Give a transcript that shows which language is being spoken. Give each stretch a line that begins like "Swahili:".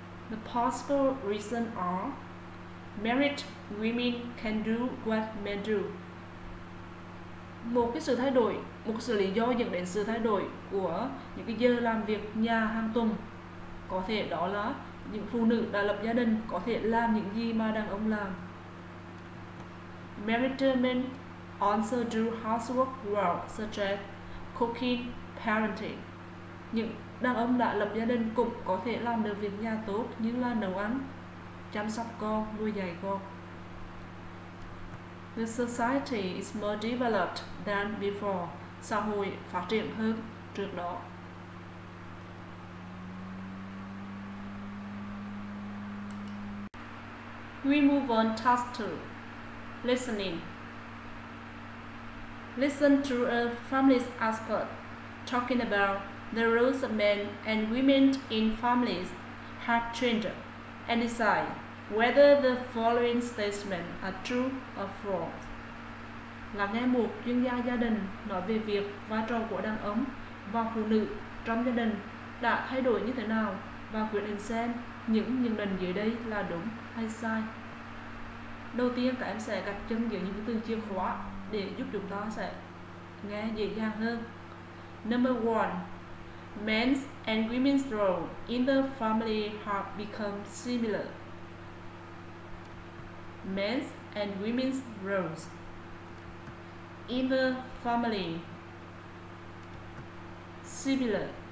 English: The possible reasons are: married women can do what men do.
Vietnamese: Một cái sự thay đổi, một sự lý do dẫn đến sự thay đổi của những cái giờ làm việc nhà hàng tuần có thể đó là những phụ nữ đã lập gia đình có thể làm những gì mà đàn ông làm.
English: Married men also do housework well, such as cooking, parenting.
Vietnamese: Những đàn ông đã lập gia đình cũng có thể làm được việc nhà tốt như là nấu ăn, chăm sóc con, nuôi dạy con.
English: The society is more developed than before.
Vietnamese: Xã hội phát triển hơn trước đó.
English: We move on task 2. Listening. Listen to a feminist expert talking about the roles of men and women in families have changed, and decide whether the following statements are true or false.
Vietnamese: Là nghe một chuyên gia gia đình nói về việc vai trò của đàn ông và phụ nữ trong gia đình đã thay đổi như thế nào, và quyết định xem những nhận định dưới đây là đúng hay sai. Đầu tiên, các em sẽ gạch chân giữa những từ chìa khóa để giúp chúng ta sẽ nghe dễ dàng hơn.
English: Number one, men's and women's role in the family have become similar. Men's and women's roles in the family similar.